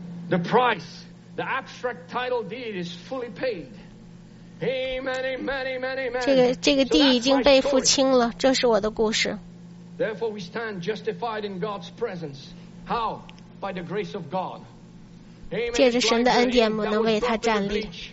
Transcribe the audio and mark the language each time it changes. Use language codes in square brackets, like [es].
[en] The price, the abstract title deed is fully paid. Amen, amen, amen, amen. [zh] 这个地已经被付清了，这是我的故事。 [en] Therefore, we stand justified in God's presence. How? By the grace of God. [zh] 借着神的恩典，我能为他站立。